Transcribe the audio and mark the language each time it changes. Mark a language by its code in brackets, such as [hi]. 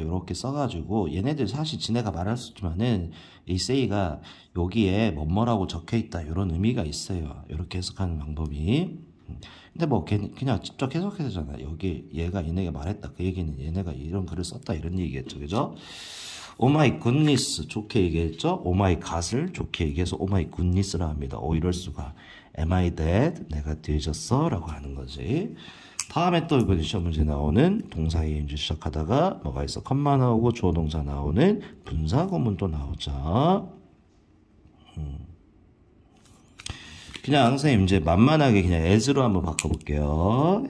[ko] 이렇게 써가지고 얘네들 사실 지네가 말할 수 있지만은 이 세이가 여기에 뭐뭐라고 적혀있다 이런 의미가 있어요. 이렇게 해석하는 방법이. 근데 뭐 그냥 직접 해석해야 되잖아. 여기 얘가 얘네가 말했다. 그 얘기는 얘네가 이런 글을 썼다 이런 얘기겠죠. 그죠? [en] Oh my goodness [ko] 좋게 얘기했죠. [en] Oh my god을 [ko] 좋게 얘기해서 [en] Oh my goodness라 합니다. [ko] 오 이럴 수가. [en] Am I dead? [ko] 내가 뒤졌어? 라고 하는 거지. 다음에 또 이번 시험 문제 나오는 동사 ing 시작하다가 뭐가 있어? 컴마 나오고 주어 동사 나오는 분사 구문도 나오죠. 그냥 선생님 이제 만만하게 그냥 as로 한번 바꿔볼게요.